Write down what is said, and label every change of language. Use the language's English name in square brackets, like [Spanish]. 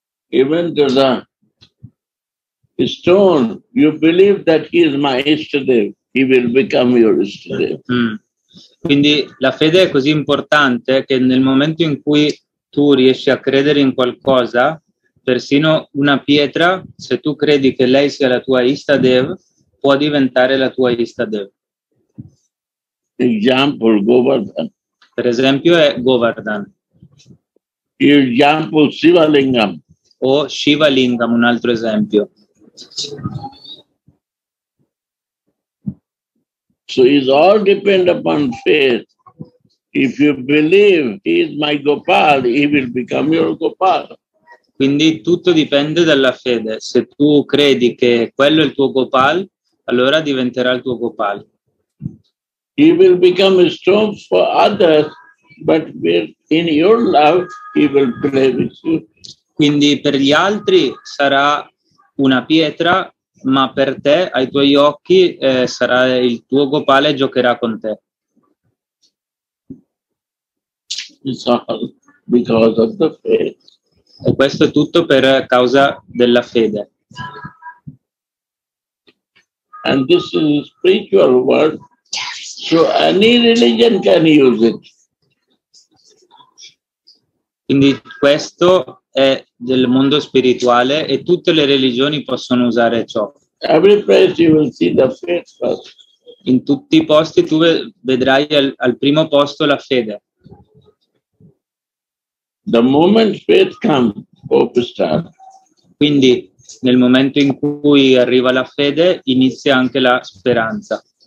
[English] Even to the stone, you believe that he is my Ishtadev, he will become your Ishtadev. [Italian] Quindi la fede è così importante che nel momento in cui tu riesci a credere in qualcosa, persino una pietra, se tu credi che lei sia la tua Ishtadev, può diventare la tua Ishtadev. [English] Example, Govardhan. [Italian] Per esempio è Govardhan. [English] Example, Sivalingam. [Italian] o Shiva Lingam, un altro esempio. [English] So it all depend upon faith. If you believe he is my Gopal, he will become your Gopal. [Italian] Quindi tutto dipende dalla fede. Se tu credi che quello è il tuo Gopal, allora diventerà il tuo Gopal. [English] He will become strong for others, but in your love he will play with you. [Italian] Quindi per gli altri sarà una pietra, ma per te, ai tuoi occhi, sarà il tuo Gopal e giocherà con te. [English] It's all because of the faith. [Italian] E questo è tutto per causa della fede. [English] And this is a spiritual word, so any religion can use it. [Italian] Quindi questo è del mondo spirituale e tutte le religioni possono usare ciò. [English] Every place you will see the faith first. [Italian] In tutti i posti tu vedrai al primo posto la fede. [English] The moment faith comes, hope starts. [Italian] Quindi nel momento in cui arriva la fede inizia anche la speranza.